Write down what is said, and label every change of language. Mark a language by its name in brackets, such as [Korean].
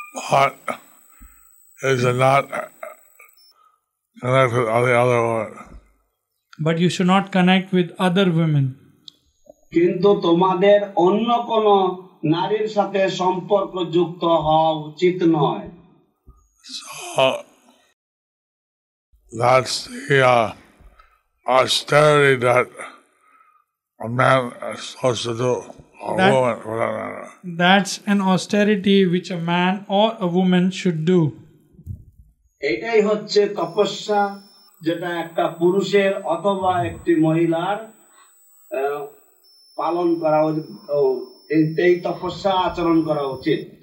[English] But is it not connected with the other one? But you should not connect with other women. [Bangla] কিন্তু তোমাদের অন্য কোন নারীর সাথে সম্পর্ক যুক্ত হওয়া উচিত নয়। [English] That's the austerity that a man is supposed to do, or a woman. That's an austerity which a man or a woman should do. [Bangla] এটাই হচ্ছে তপস্যা যেটা একটা পুরুষের অথবা একটি মহিলার পালন করা উচিত, এই তপস্যা আচরণ করা উচিত।